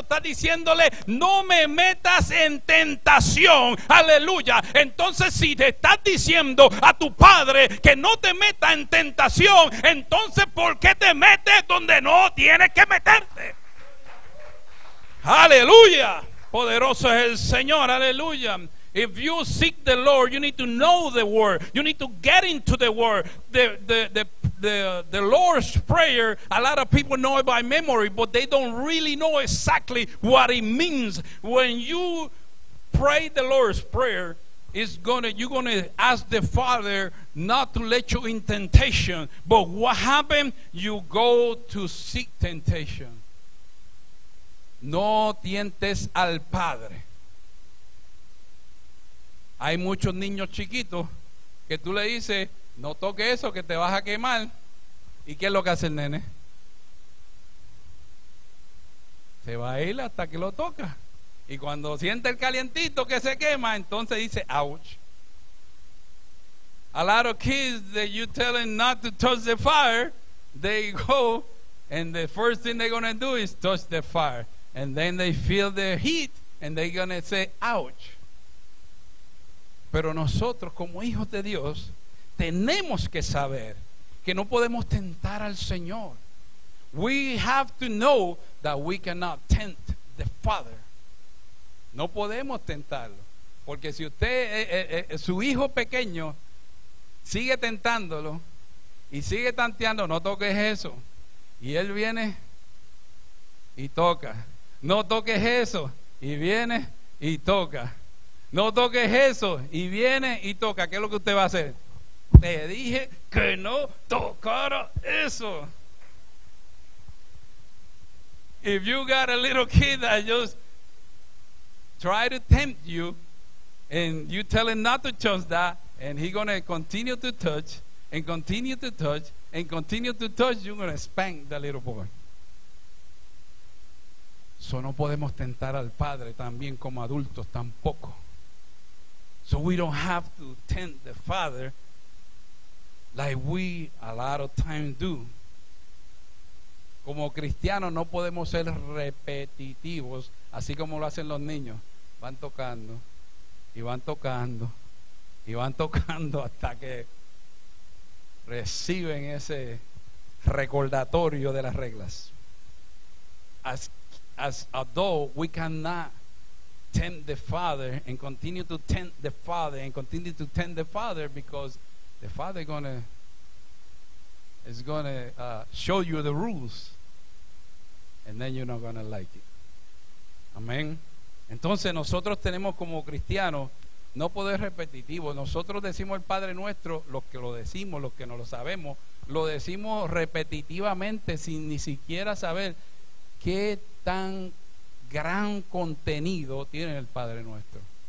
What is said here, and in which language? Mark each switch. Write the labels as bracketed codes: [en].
[es] Estás diciéndole: no me metas en tentación. Aleluya. Entonces, si te estás diciendo a tu Padre que no te meta en tentación, entonces ¿por qué te metes donde no tienes que meterte? Aleluya. Poderoso es el Señor. Aleluya. [en] If you seek the Lord, you need to know the word. You need to get into the word. The Lord's Prayer, a lot of people know it by memory, but they don't really know exactly what it means. When you pray the Lord's Prayer, you're going to ask the Father not to let you in temptation. But what happened? You go to seek temptation. [es] No tientes al Padre. Hay muchos niños chiquitos que tú le dices: no toques eso que te vas a quemar. ¿Y qué es lo que hace el nene? Se va a ir hasta que lo toca. Y cuando siente el calientito que se quema, entonces dice: ouch. [en] A lot of kids that you tell them not to touch the fire, they go and the first thing they're going to do is touch the fire. And then they feel the heat and they're going to say, ouch. [es] Pero nosotros como hijos de Dios tenemos que saber que no podemos tentar al Señor. [en] We have to know that we cannot tempt the Father. [es] No podemos tentarlo, porque si usted, su hijo pequeño sigue tentándolo y sigue tanteando, no toques eso, y él viene y toca, no toques eso, y viene y toca, no toques eso, y viene y toca, ¿qué es lo que usted va a hacer? Te dije que no tocara eso. [en] If you got a little kid that just try to tempt you and you tell him not to touch that, and he's going to continue to touch and continue to touch and continue to touch, you're going to spank the little boy. [es] So no podemos tentar al Padre también como adultos tampoco. [en] So we don't have to tempt the Father like we a lot of times do. [es] Como cristianos no podemos ser repetitivos así como lo hacen los niños. Van tocando y van tocando y van tocando hasta que reciben ese recordatorio de las reglas. [en] As adults, we cannot tempt the Father and continue to tempt the Father and continue to tempt the Father, because the Father is gonna show you the rules and then you're not gonna like it. Amen. [es] Entonces nosotros tenemos como cristianos no poder repetitivo. Nosotros decimos el Padre Nuestro, los que lo decimos, los que no lo sabemos, lo decimos repetitivamente sin ni siquiera saber qué tan gran contenido tiene el Padre Nuestro.